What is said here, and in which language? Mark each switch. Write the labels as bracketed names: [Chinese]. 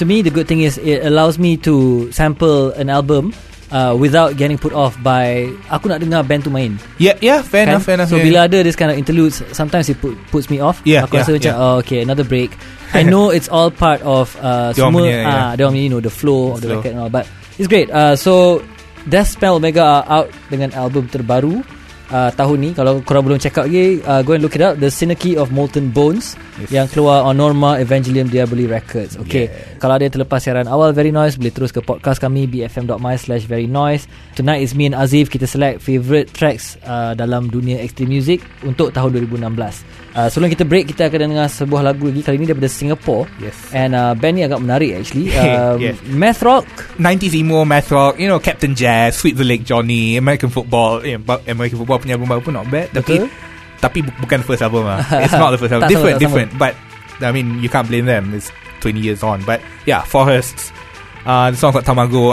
[English] To me, the good thing is it allows me to sample an album without getting put off by [Malay] aku nak dengar band tu main. [English] Yeah, fair enough, fair enough. So [Malay] bila ada [English] this kind of interludes, sometimes it puts me off. Yeah, [Malay] aku rasa macam oh, okay, [English] another break. I know it's all part of semua you know, the flow of the record and all, but it's great. [Malay] So Death Spell Omega out dengan album terbaru tahun ni. Kalau korang belum check out lagi, [English] go and look it up, [Malay] The Synarchy of Molten Bones. Yes. Yang keluar on Norma Evangelium Diaboli Records. Okay. [English] Yes. [Malay] Kalau ada yang terlepas siaran awal Very Noise, boleh terus ke podcast kami bfm.my/verynoise. [English] Tonight is me and Azif. [Malay] Kita [English] select favorite tracks [Malay] dalam dunia extreme music untuk tahun 2016. Sebelum kita break, kita akan dengar sebuah lagu lagi. Kali ini daripada Singapore. [English] Yes. [Malay] And band ni agak menarik actually. [English] Yes. Math rock, 90s emo math rock, you know, Captain Jazz, Sweet the Lake Johnny, American Football. Yeah, American Football [Malay] punya album baru pun [English] not bad. [Malay] Tapi bukan first album lah. [English] It's not the first album. Different. But I mean, you can't blame them, it's 20 years on. But yeah, Forests, the song called Tamago.